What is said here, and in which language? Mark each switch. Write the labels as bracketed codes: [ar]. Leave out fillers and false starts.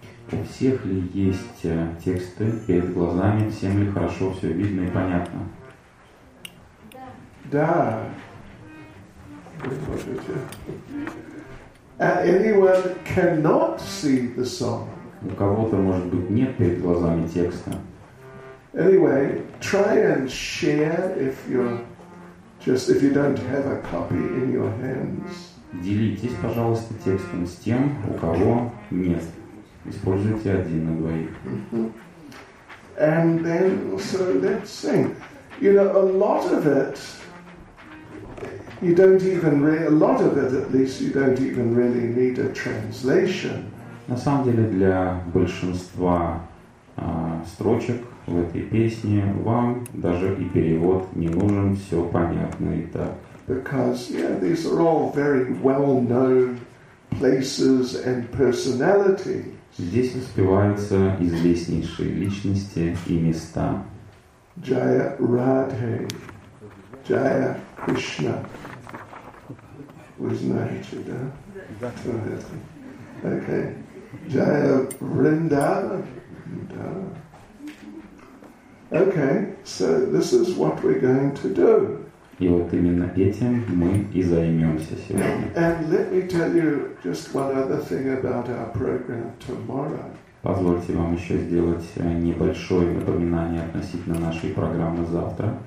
[ru] У всех ли есть тексты перед глазами, всем ли хорошо все видно и понятно? Да. [en] Prabhupada. Anyone cannot see the song. [ru] У кого-то, может быть, нет перед глазами текста. [en] Anyway, try and share if you don't have a copy in your hands. [ru] Делитесь, пожалуйста, текстом с тем, у кого нет. Используйте один на двоих. [en] And then, so let's sing. You know, a lot of it, you don't even really need a translation. [ru] На самом деле, для большинства строчек в этой песне вам даже и перевод не нужен, все понятно и так. [en] Because, yeah, these are all very well-known places and personalities. [ru] Здесь воспеваются известнейшие личности и места. [sa] Jaya Radhe, Jaya Krishna. [ru] Вы знаете, да? Okay. [sa] Jaya Vrindavan. [en] Okay, so this is what we're going to do. [ru] И вот именно этим мы и займемся сегодня. [en] And let me tell you just one other thing about our program tomorrow. [ru] Позвольте вам еще сделать небольшое напоминание относительно нашей программы завтра.